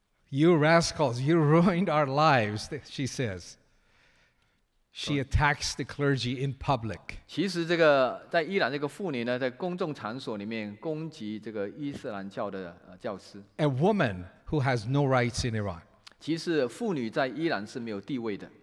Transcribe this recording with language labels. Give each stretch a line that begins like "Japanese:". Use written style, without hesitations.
English: You rascals, you ruined our lives, she says. She attacks the clergy in public.
Chinese: 其实这个在伊朗这个妇女呢，在公众场所里面攻击这个伊斯兰教的教师。
English: A woman who has no rights in Iran.
Chinese: 其实妇女在伊朗是没有地位的。